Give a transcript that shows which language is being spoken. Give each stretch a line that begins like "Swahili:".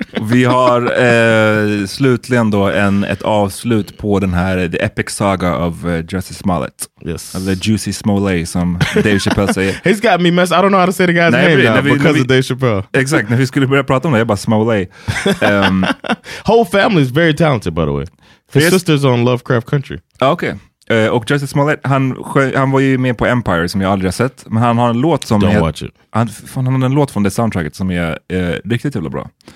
Swedish: Vi har slutligen då ett avslut på den här The Epic Saga of Jussie Smollett.
English: Yes.
Swedish: The Juicy Smollett, som Dave Chappelle säger.
English: He's got me messed. I don't know how to say the guy's name now because of Dave Chappelle.
Swedish: Exakt. När vi skulle börja prata om det, jag bara Smollett.
English: Whole family is very talented, by the way. His sister's on Lovecraft Country.
Swedish: Okay. Och Jussie Smollett, han var ju med på Empire, som jag aldrig har sett. Men han har en låt som han har en låt från det soundtracket som är riktigt jävla bra.